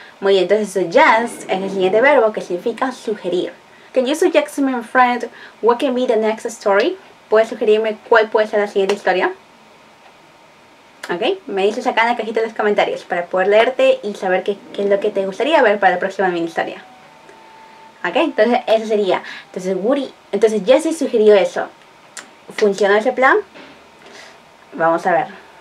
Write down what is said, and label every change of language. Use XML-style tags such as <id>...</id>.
<es>Muy bien, entonces suggest es el siguiente verbo que significa sugerir.</es> <en>Can you suggest me, my friend, what can be the next story?</en> <es>¿Puedes sugerirme cuál puede ser la siguiente historia? ¿Ok? Me dices acá en la cajita de los comentarios para poder leerte y saber qué es lo que te gustaría ver para la próxima mini historia. ¿Ok? Entonces, eso sería. Entonces, Jesse sugirió eso. ¿Funcionó ese plan? Vamos a ver.</es>